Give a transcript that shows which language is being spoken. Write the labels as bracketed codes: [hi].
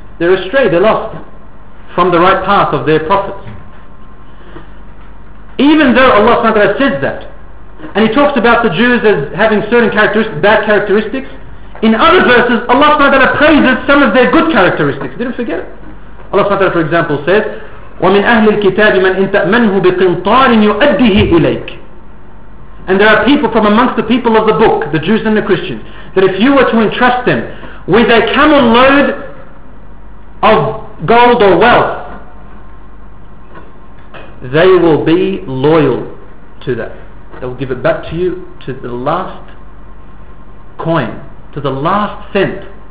[en] They're astray, they're lost from the right path of their prophets. Even though Allah subhanahu wa ta'ala says that, and He talks about the Jews as having certain characteristics, bad characteristics, in other verses Allah subhanahu wa ta'ala praises some of their good characteristics. Didn't forget it. Allah subhanahu wa ta'ala, for example, says, [ar] وَمِنْ أَهْلِ الْكِتَابِ مَنْ إِنْ تَأْمَنْهُ بِقِنْطَارٍ يُؤَدِّهِ إِلَيْكَ. [en] And there are people from amongst the people of the book, the Jews and the Christians, that if you were to entrust them with a camel load of gold or wealth, they will be loyal to that. They will give it back to you to the last coin, to the last cent.